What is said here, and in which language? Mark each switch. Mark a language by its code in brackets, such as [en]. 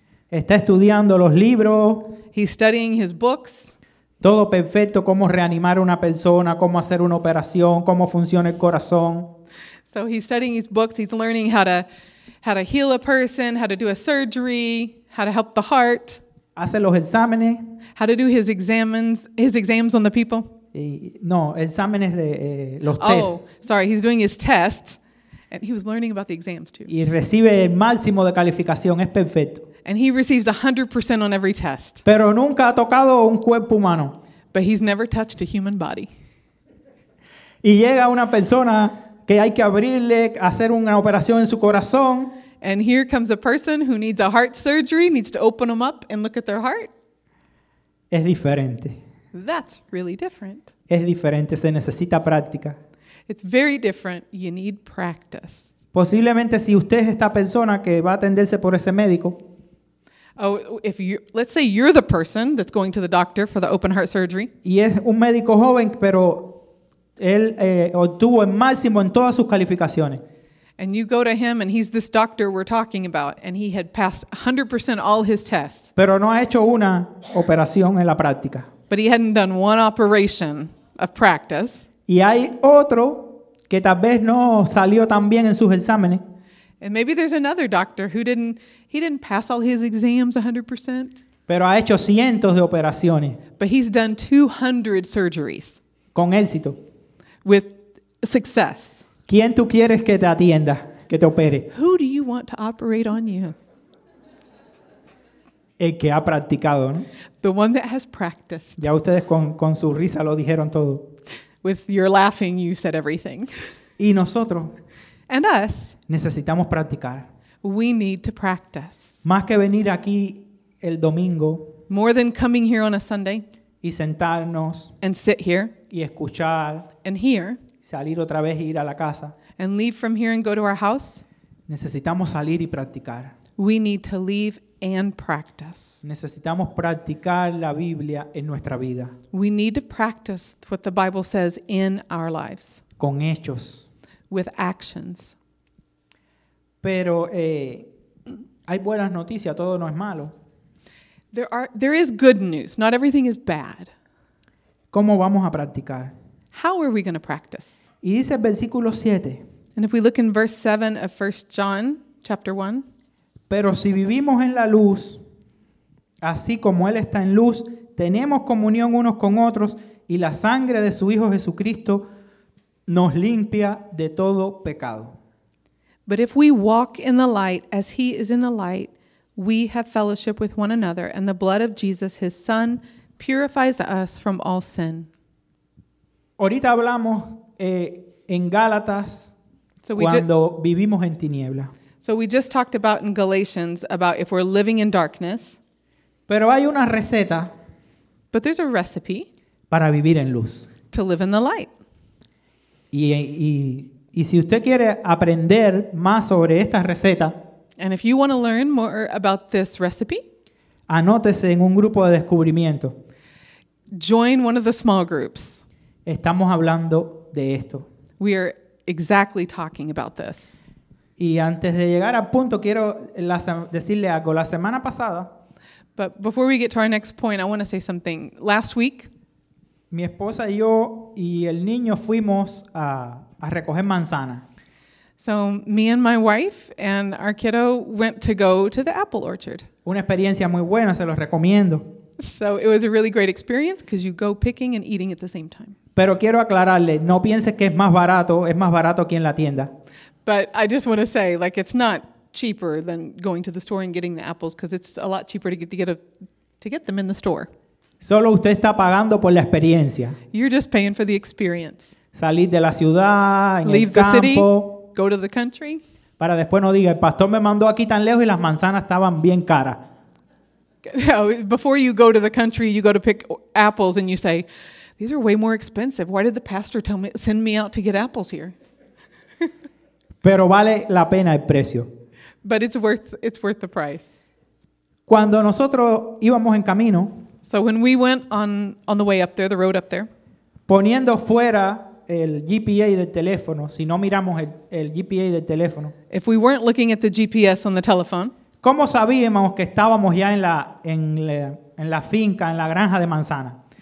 [es] Está estudiando los libros. [en] He's studying his books. [es] Todo perfecto, cómo reanimar una persona, cómo hacer una operación, cómo funciona el corazón. [en] So he's studying his books. He's learning how to heal a person, how to do a surgery, how to help the heart. [es] Hace los exámenes. [en] How to do his exams on the people. [es] No, exámenes de los oh, [en] tests. Oh, sorry, he's doing his tests, and he was learning about the exams too. [es] Y recibe el máximo de calificación, es perfecto. [en] And he receives 100% on every test. [es] Pero nunca ha tocado un cuerpo humano. [en] But he's never touched a human body. [es] Y llega una persona que hay que abrirle, hacer una operación en su corazón. [en] And here comes a person who needs a heart surgery, needs to open them up and look at their heart. [es] Es diferente. [en] That's really different. [es] Es diferente, se necesita práctica. [en] It's very different. You need practice. [es] Posiblemente si usted es esta persona que va a atenderse por ese médico. [en] Oh, if you, let's say you're the person that's going to the doctor for the open heart surgery. [es] Y es un médico joven, pero él obtuvo el máximo en todas sus calificaciones. [en] And you go to him and he's this doctor we're talking about and he had passed 100% all his tests. [es] Pero no ha hecho una operación en la práctica. [en] But he hadn't done one operation of practice. [es] Y hay otro que tal vez no salió tan bien en sus exámenes. [en] And maybe there's another doctor who didn't pass all his exams 100%. [es] Pero ha hecho cientos de operaciones. [en] But he's done 200 surgeries. [es] Con éxito. [en] With success. [es] ¿Quién tú quieres que te atienda, que te opere? [en] Who do you want to operate on you? [es] El que ha practicado, ¿no? [en] The one that has practiced. [es] Ya ustedes con su risa lo dijeron todo. [en] With your laughing, you said everything. [es] Y nosotros. [en] And us. [es] Necesitamos practicar. [en] We need to practice. [es] Más que venir aquí el domingo. [en] More than coming here on a Sunday. [es] Y sentarnos. [en] And sit here. [es] Y escuchar. [en] And hear. [es] Salir otra vez e ir a la casa. [en] And leave from here and go to our house. [es] Necesitamos salir y practicar. [en] We need to leave and practice. [es] Necesitamos practicar la Biblia en nuestra vida. [en] We need to practice what the Bible says in our lives. [es] Con hechos. [en] With actions. [es] Pero hay buenas noticias, todo no es malo. [en] There is good news. Not everything is bad. [es] ¿Cómo vamos a practicar? [en] How are we going to practice? [es] Y dice el versículo 7. [en] And if we look in verse 7 of 1 John chapter 1. [es] Pero si vivimos en la luz, así como Él está en luz, tenemos comunión unos con otros y la sangre de su Hijo Jesucristo nos limpia de todo pecado. [en] But if we walk in the light as He is in the light, we have fellowship with one another and the blood of Jesus, His Son, purifies us from all sin. [es] Ahorita hablamos en Gálatas cuando vivimos en tiniebla. [en] So we just talked about in Galatians about if we're living in darkness. [es] Pero hay una receta. [en] But there's a recipe. [es] Para vivir en luz. [en] To live in the light. [es] Y Y si usted quiere aprender más sobre esta receta, [en] and if you want to learn more about this recipe, [es] anótese en un grupo de descubrimiento. [en] Join one of the small groups. [es] Estamos hablando de esto. [en] We are exactly talking about this. [es] Y antes de llegar al punto, quiero decirle algo. La semana pasada, [en] but before we get to our next point, I want to say something. Last week, [es] mi esposa y yo y el niño fuimos a recoger manzana. [en] So me and my wife and our kiddo went to go to the apple orchard. [es] Una experiencia muy buena, se los recomiendo. [en] So it was a really great experience because you go picking and eating at the same time. [es] Pero quiero aclararle, no pienses que es más barato aquí en la tienda. [en] But I just want to say, like, it's not cheaper than going to the store and getting the apples because it's a lot cheaper to get them in the store. [es] Solo usted está pagando por la experiencia. [en] You're just paying for the experience. [es] Salir de la ciudad, en [en] leave [es] el campo. [en] The city, go to the country. [es] Para después no diga, el pastor me mandó aquí tan lejos y las manzanas estaban bien caras. [en] Before you go to the country, you go to pick apples and you say, these are way more expensive. Why did the pastor send me out to get apples here? [es] Pero vale la pena el precio. [en] But it's worth the price. [es] Cuando nosotros íbamos en camino, [en] so when we went on the way up there, the road up there, [es] poniendo fuera el GPA del teléfono, si no miramos el GPA del teléfono, [en] if we weren't looking at the GPS on the telephone, [es] ¿cómo sabíamos que estábamos ya en la finca, en la granja de manzana?